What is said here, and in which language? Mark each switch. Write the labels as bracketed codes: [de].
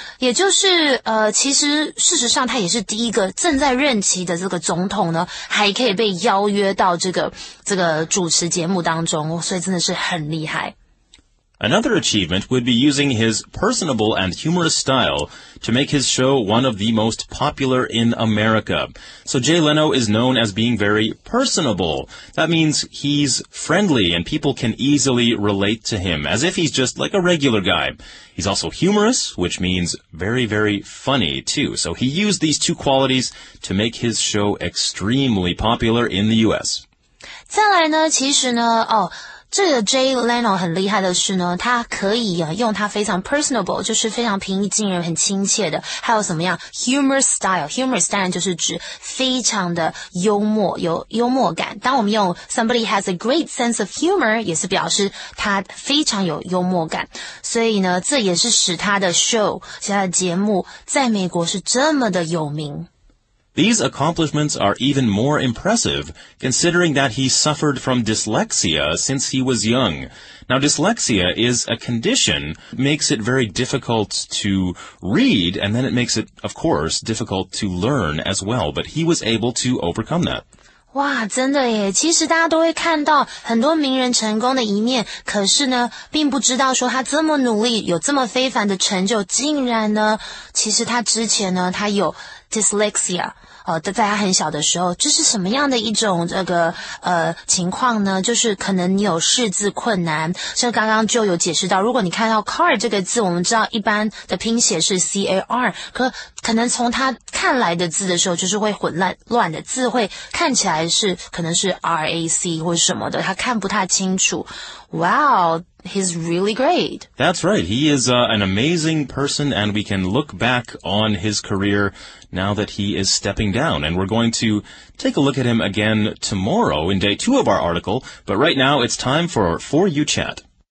[zh] 也就是其实事实上他也是第一个正在任期的这个总统呢还可以被邀约到这个主持节目当中，所以真的是很厉害。 [en] Another achievement would be using his personable and humorous style to make his show one of the most popular in America. So Jay Leno is known as being very personable. That means he's friendly and people can easily relate to him as if he's just like a regular guy. He's also humorous, which means very, very funny too. So he used these two qualities to make his show extremely popular in the U.S. [zh] 再来呢，其实呢，哦这个 Jay Leno 很厉害的是呢，他可以、啊、用他非常 personable, 就是非常平易近人很亲切的，还有什么样 humor style, humor style 就是指非常的幽默，有幽默感。当我们用 [en] somebody has a great sense of humor, [zh] 也是表示他非常有幽默感。所以呢，这也是使他的 show, 使他的节目在美国是这么的有名。 [en] These accomplishments are even more impressive, considering that he suffered from dyslexia since he was young. Now, dyslexia is a condition, makes it very difficult to read, and then it makes it, of course, difficult to learn as well. But he was able to overcome that. [zh] 哇真的耶，其实大家都会看到很多名人成功的一面，可是呢并不知道说他这么努力有这么非凡的成就，竟然呢其实他之前呢他有 dyslexia,、在他很小的时候，这是什么样的一种这个情况呢，就是可能你有识字困难，像刚刚就有解释到，如果你看到 car 这个字，我们知道一般的拼写是 car, 可能从他看来的字的时候就是会混乱乱的字会看起来是可能是 RAC 或什么的他看不太清楚。 [en] Wow, he's really great. That's right. He is an amazing person and we can look back on his career now that he is stepping down. And we're going to take a look at him again tomorrow in day two of our article. But right now it's time for You Chat.